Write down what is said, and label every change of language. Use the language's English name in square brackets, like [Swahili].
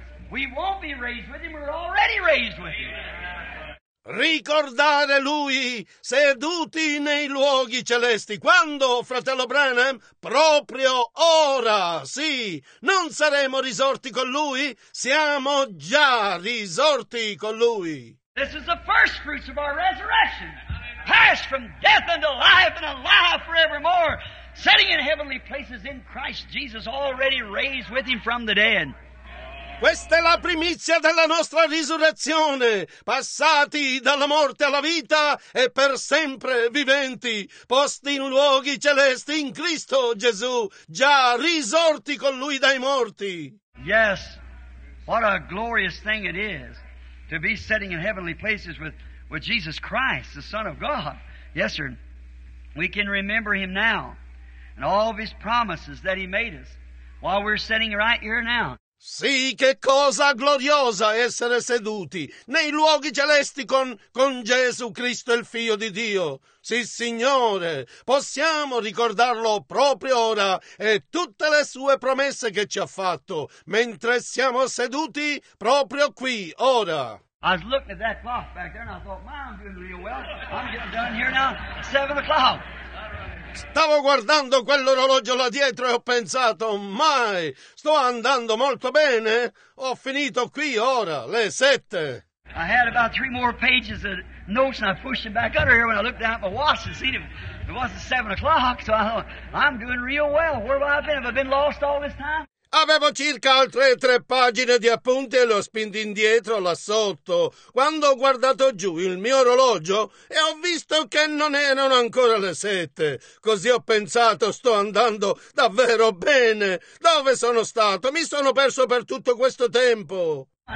[English] We won't be raised with him, we're already raised with him. [Italian] Ricordare lui seduti nei luoghi celesti. Quando, fratello Branham? Proprio ora, sì. Non saremo risorti con lui, siamo già risorti con lui. [English] This is the first fruits of our resurrection. Passed from death unto life and alive forevermore. Sitting in heavenly places in Christ Jesus, already raised with him from the dead. [Italian] Questa è la primizia della nostra risurrezione, passati dalla morte alla vita e per sempre viventi, posti in luoghi celesti in Cristo Gesù, già risorti con Lui dai morti. [English] Yes, what a glorious thing it is to be sitting in heavenly places with Jesus Christ, the Son of God. Yes, sir, we can remember Him now and all of His promises that He made us while we're sitting right here now. [Italian] Sì, che cosa gloriosa essere seduti nei luoghi celesti con Gesù Cristo, il Figlio di Dio. Sì, Signore, possiamo ricordarlo proprio ora e tutte le sue promesse che ci ha fatto mentre siamo seduti proprio qui, ora. [English] I was looking at that clock back there and I thought, my, I'm doing real well. I'm getting done here now. 7:00. [Italian] Stavo guardando quell'orologio là dietro e ho pensato, mai, sto andando molto bene, ho finito qui ora, le 7. [English] I had about 3 more pages of notes and I pushed them back under here when I looked down at my watch and seen it wasn't 7:00, so I thought, I'm doing real well. Where have I been? Have I been lost all this time? [Italian] Avevo circa altre 3 pagine di appunti e le ho spinte indietro là sotto, quando ho guardato giù il mio orologio e ho visto che non erano ancora le 7. Così ho pensato, sto andando davvero bene. Dove sono stato? Mi sono perso per tutto questo tempo.